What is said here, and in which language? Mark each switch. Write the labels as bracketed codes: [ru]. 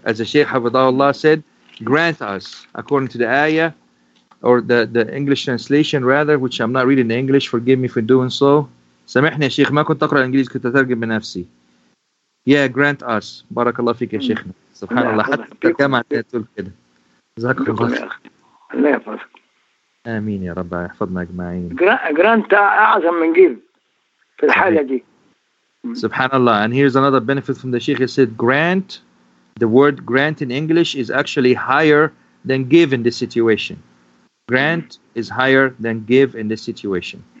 [en] As the Shaykh Hafidhahullah said, grant us, according to the ayah, or the English translation rather, which I'm not reading in English, forgive me for doing so. [ar] سامحني يا شيخ ما كنت أقرأ الإنجليزي كنت أترجم بنفسي. [en] Yeah, grant us. [ar] بارك الله فيك يا شيخنا. سبحان الله. حتى كما تقول كده. جزاك الله. الله يحفظك. آمين يا رب يحفظنا أجمعين. Grant أعظم من جيل في الحالة دي. سبحان الله. [en] And here's another benefit from the Sheikh. He said grant. The word grant in English is actually higher than give in this situation. Grant is higher than give in this situation.